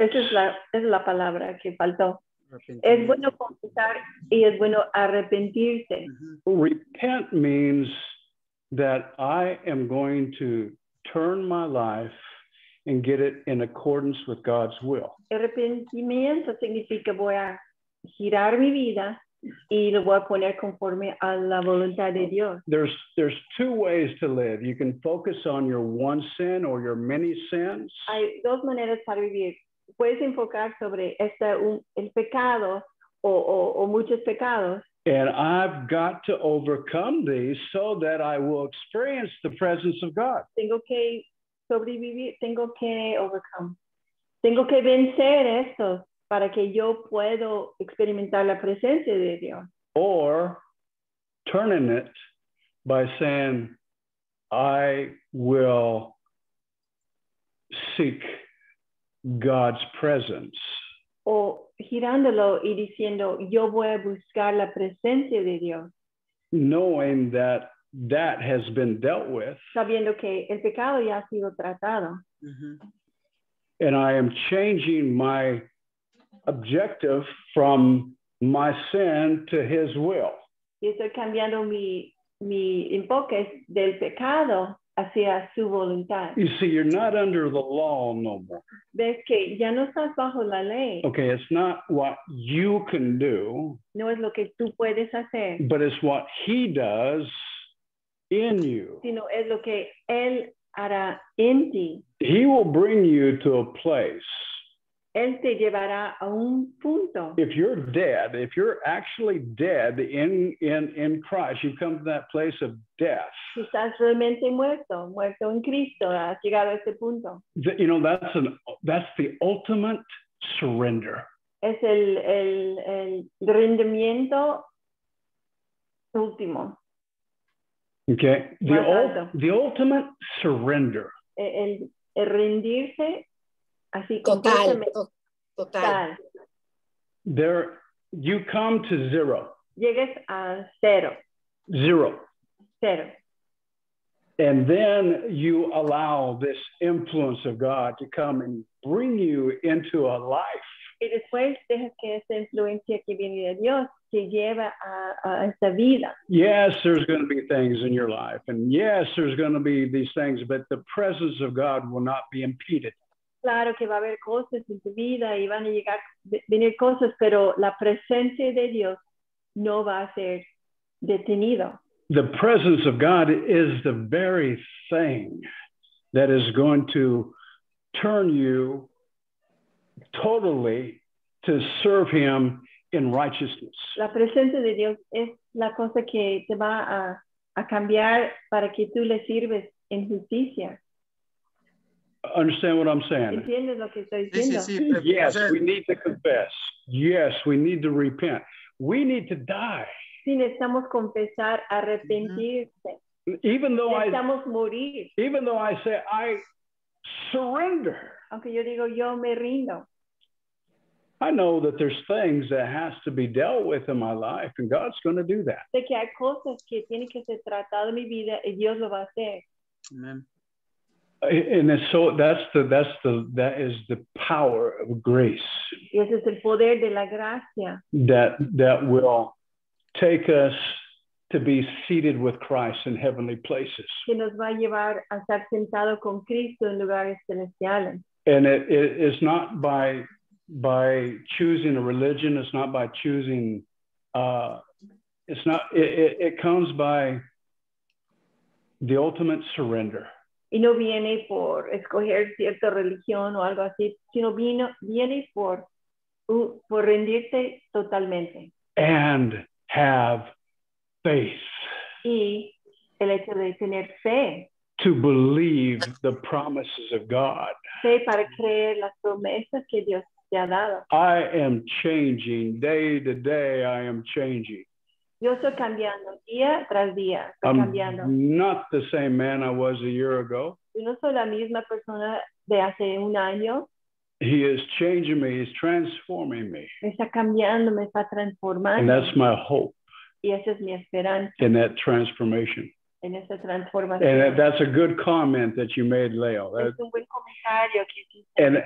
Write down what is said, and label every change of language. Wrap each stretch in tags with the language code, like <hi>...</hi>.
<es>Esa es la palabra que faltó. Es bueno confesar y es bueno arrepentirse. Mm-hmm.</es> <en>Repent means that I am going to turn my life and get it in accordance with God's will.</en> <es>Arrepentimiento significa voy a girar mi vida y lo voy a poner conforme a la voluntad de Dios.</es> <en>There's two ways to live. You can focus on your one sin or your many sins.</en> <es>Hay dos maneras para vivir. Puedes enfocar sobre el pecado o muchos pecados.</es> <en>And I've got to overcome these so that I will experience the presence of God.</en> <es>Tengo que sobrevivir, tengo que vencer esto para que yo pueda experimentar la presencia de Dios.</es> <en>Or turning it by saying, I will seek God's presence.</en> <es>O girándolo y diciendo, yo voy a buscar la presencia de Dios.</es> <en>Knowing that has been dealt with.</en> <es>Sabiendo que el pecado ya ha sido tratado. Mm-hmm.</es> <en>And I am changing my objective from my sin to His will.</en> <es>Y estoy cambiando mi enfoque del pecado hacia su voluntad.</es> <en>You see, you're not under the law no more.</en> <es>Ves que ya no estás bajo la ley.</es> <en>Okay, it's not what you can do.</en> <es>No es lo que tú puedes hacer.</es> <en>But it's what He does in you.</en> <es>Sino es lo que Él hará en ti.</es> <en>He will bring you to a place.</en> <es>Él te llevará a un punto.</es> <en>If you're dead, if you're actually dead in Christ, you come to that place of death.</en> <es>Si estás realmente muerto en Cristo, has llegado a ese punto.</es> <en>You know, that's the ultimate surrender.</en> <es>Es el rendimiento último.</es> <en>Okay. The ultimate surrender.</en> <es>El rendirse así completamente. Total.</es> <en>There, you come to zero.</en> <es>Llegas a cero.</es> <en>Zero.</en> <es>Cero.</es> <en>And then you allow this influence of God to come and bring you into a life.</en> <es>Y después dejas que esa influencia que viene de Dios te lleva a esa vida.</es> <en>Yes, there's going to be things in your life. And yes, there's going to be these things, but the presence of God will not be impeded. Claro que va a haber cosas en tu vida y van a llegar venir cosas, pero la presencia de Dios no va a ser detenido. The presence of God is the very thing that is going to turn you totally to serve him in righteousness.</en> <es>La presencia de Dios es la cosa que te va a cambiar para que tú le sirves en justicia.</es> <en>Understand what I'm saying?</en> <es>¿Entiendes lo que estoy diciendo? Sí, sí, sí.</es> <en>Yes, we need to confess. Yes, we need to repent. We need to die.</en> <es>Sí, necesitamos confesar, arrepentirse.</es> <en>Even though</en> <es>necesitamos morir.</es> <en>Even though I say I surrender.</en> <es>Aunque yo digo yo me rindo.</es> <en>I know that there's things that has to be dealt with in my life, and God's going to do that.</en> <es>De que hay cosas que tienen que ser tratadas en mi vida, y Dios lo va a hacer.</es> <en>Amen. And it's so that is the power of grace.</en> <es>Y ese es el poder de la gracia.</es> <en>That will take us to be seated with Christ in heavenly places.</en> <es>Que nos va a llevar a estar sentado con Cristo en lugares celestiales.</es> <en>And it is not by choosing a religion. It's not by choosing. It's not. It comes by the ultimate surrender.</en> <es>Y no viene por escoger cierta religión o algo así, sino viene por rendirte totalmente.</es> <en>And have faith.</en> <es>Y el hecho de tener fe.</es> <en>To believe the promises of God.</en> <es>Fe para creer las promesas que Dios te ha dado.</es> <en>I am changing day to day. I am changing.</en> <es>Yo estoy cambiando día tras día. Estoy</es> <en>I'm</en> <es>cambiando.</es> <en>Not the same man I was a year ago.</en> <es>Yo no soy la misma persona de hace un año.</es> <en>He is changing me. He's transforming me.</en> <es>Está cambiando, me está transformando.</es> <en>And that's my hope.</en> <es>Y esa es mi esperanza.</es> <en>In that transformation.</en> <es>En esa transformación.</es> <en>And that's a good comment that you made, Leo.</en> <es>Es un buen comentario que hiciste.</es>